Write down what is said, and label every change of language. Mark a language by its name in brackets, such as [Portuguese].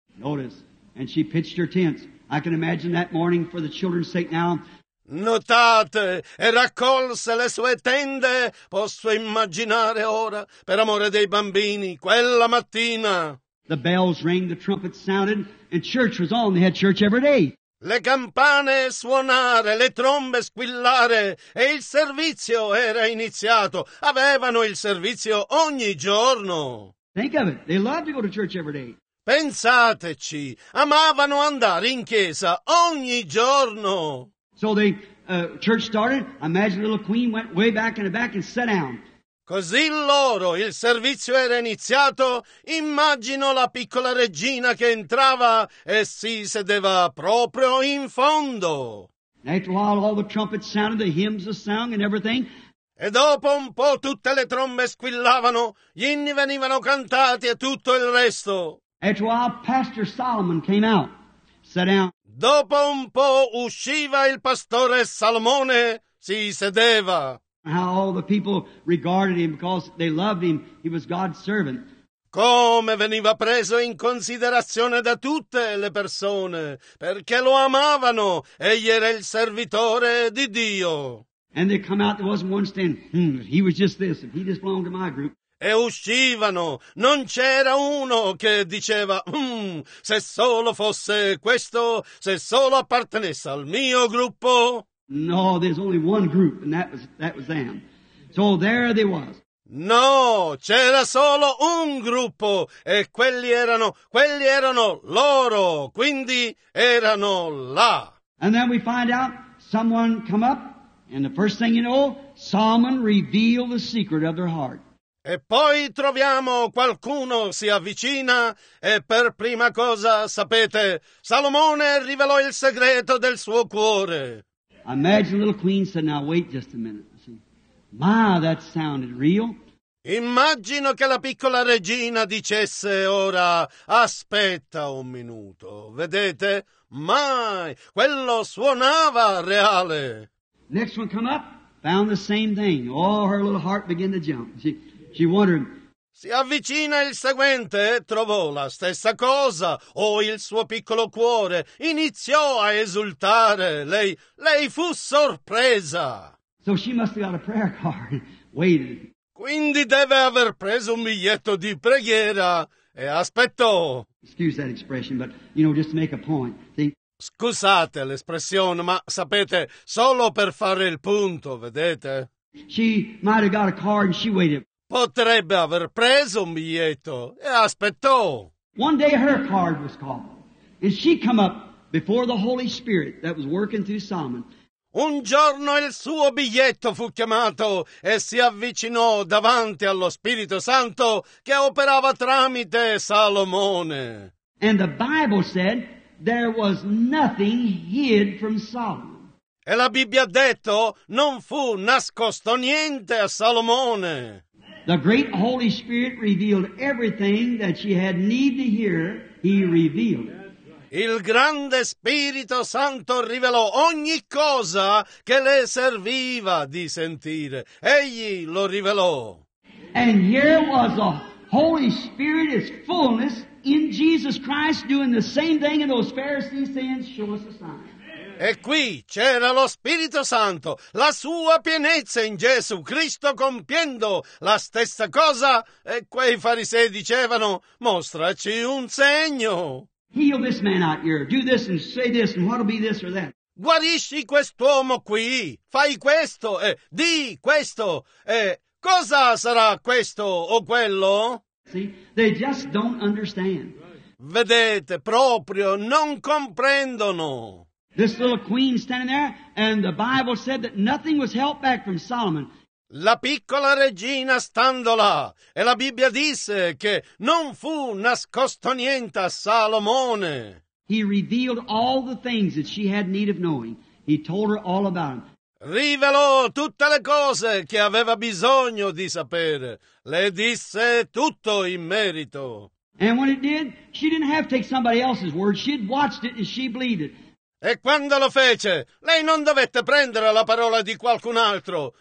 [English] Notice, and she pitched her tents. I can imagine that morning for the children's sake now. [Italian] Notate, e raccolse le sue tende, posso immaginare ora, per amore dei bambini, quella mattina. [English] The bells rang, the trumpets sounded, and church was on, they had church every day. [Italian] Le campane suonare, le trombe squillare, e il servizio era iniziato, avevano il servizio ogni giorno. [English] Think of it, they loved to go to church every day. [Italian] Pensateci, amavano andare in chiesa ogni giorno. [English] So the church started. Imagine the little queen went way back in the back and sat down. [Italian] Così loro, il servizio era iniziato. Immagino la piccola regina che entrava e si sedeva proprio in fondo. [English] After a while, all the trumpets sounded, the hymns were sung and everything. [Italian] E dopo un po' tutte le trombe squillavano, gli inni venivano cantati e tutto il resto. [English] After a while, Pastor Solomon came out, sat down. [Italian] Dopo un po' usciva il pastore Salomone, si sedeva. [English] How all the people regarded him because they loved him. He was God's servant. [Italian] Come veniva preso in considerazione da tutte le persone, perché lo amavano, egli era il servitore di Dio. [English] And they come out, there wasn't one stand. He was just this, he just belonged to my group. [Italian] E uscivano, non c'era uno che diceva, se solo fosse questo, se solo appartenesse al mio gruppo. [English] No, there's only one group, and that was them. So there they was. [Italian] No, c'era solo un gruppo, e quelli erano loro, quindi erano là. [English] And then we find out, someone come up, and the first thing you know, Solomon revealed the secret of their heart. [Italian] E poi troviamo qualcuno si avvicina e per prima cosa, sapete, Salomone rivelò il segreto del suo cuore. [English] Imagine the little queen said, now wait just a minute. See. Ma, that sounded real. [Italian] Immagino che la piccola regina dicesse ora, aspetta un minuto. Vedete? Mai! Quello suonava reale. [English] Next one come up, found the same thing. Oh, her little heart began to jump. See. She wondered. [Italian] Si avvicina il seguente, trovò la stessa cosa, o il suo piccolo cuore iniziò a esultare. Lei fu sorpresa. [English] So she must have got a prayer card. Waited. [Italian] Quindi deve aver preso un biglietto di preghiera e aspettò. [English] Excuse that expression, but you know, just to make a point. See? [Italian] Scusate l'espressione, ma sapete, solo per fare il punto, vedete? [English] She might have got a card and she waited. [Italian] Potrebbe aver preso un biglietto e aspettò. [English] One day her card was called, and she come up before the Holy Spirit that was working through Solomon. [Italian] Un giorno il suo biglietto fu chiamato e si avvicinò davanti allo Spirito Santo che operava tramite Salomone. [English] And the Bible said there was nothing hid from Solomon. [Italian] E la Bibbia ha detto non fu nascosto niente a Salomone. [English] The great Holy Spirit revealed everything that she had need to hear, he revealed. [Italian] Il grande Spirito Santo rivelò ogni cosa che le serviva di sentire. Egli lo rivelò. [English] And here was a Holy Spirit is fullness in Jesus Christ doing the same thing in those Pharisees' sins. Show us a sign. [Italian] E qui c'era lo Spirito Santo, la sua pienezza in Gesù Cristo compiendo la stessa cosa. E quei farisei dicevano, mostraci un segno. [English] Heal this man out here, do this and say this, and what'll be this or that? [Italian] Guarisci quest'uomo qui, fai questo e di questo e cosa sarà questo o quello? [English] See, they just don't understand. [Italian] Vedete, proprio non comprendono. [English] This little queen standing there, and the Bible said that nothing was held back from Solomon. [Italian] La piccola regina stando là, e la Bibbia disse che non fu nascosto niente a Salomone. [English] He revealed all the things that she had need of knowing. He told her all about them. [Italian] Rivelò tutte le cose che aveva bisogno di sapere. Le disse tutto in merito. [English] And when it did, she didn't have to take somebody else's word. She'd watched it and she believed it. [Italian] E quando lo fece, lei non dovette prendere la parola di qualcun altro.